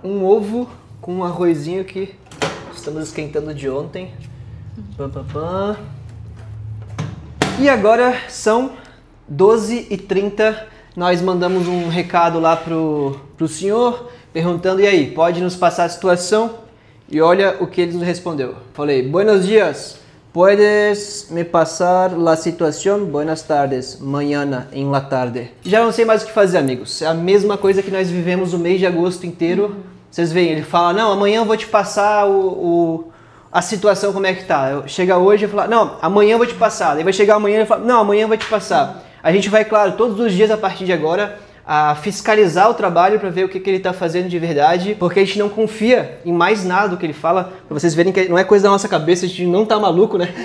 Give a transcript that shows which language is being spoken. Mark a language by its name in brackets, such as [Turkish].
[Portuguese] Um ovo com um arrozinho que estamos esquentando de ontem. Pã, pã, pã. E agora são 12h30. Nós mandamos um recado lá pro senhor, perguntando, e aí, pode nos passar a situação? E olha o que ele nos respondeu. [Spanish] Falei, buenos dias, puedes me passar la situación? Buenas tardes, mañana, en la tarde. [Portuguese] Já não sei mais o que fazer, amigos. É a mesma coisa que nós vivemos o mês de agosto inteiro. Vocês veem, ele fala, não, amanhã eu vou te passar a situação, como é que tá. Chega hoje e fala, não, amanhã eu vou te passar. Ele vai chegar amanhã e fala, não, amanhã eu vou te passar. A gente vai, claro, todos os dias a partir de agora, a fiscalizar o trabalho para ver o que, que ele está fazendo de verdade, porque a gente não confia em mais nada do que ele fala, para vocês verem que não é coisa da nossa cabeça, a gente não tá maluco, né?